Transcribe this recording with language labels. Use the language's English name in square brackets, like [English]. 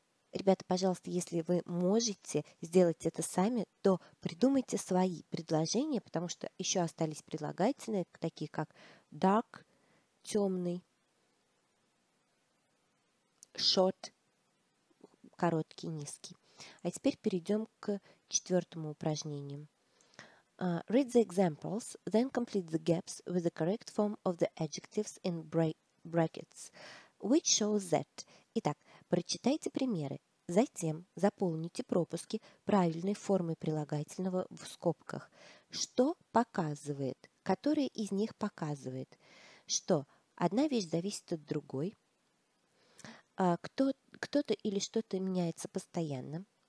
[Russian] Ребята, пожалуйста, если вы можете сделать это сами, то придумайте свои предложения, потому что еще остались прилагательные, такие как dark, темный, short, короткий, низкий. А теперь перейдем к четвертому упражнению. [English] Read the examples, then complete the gaps with the correct form of the adjectives in brackets, which shows that. [Russian] Итак, прочитайте примеры. Затем заполните пропуски правильной формой прилагательного в скобках. Что показывает? Которая из них показывает? Что одна вещь зависит от другой? Кто-то или что-то меняется постоянно?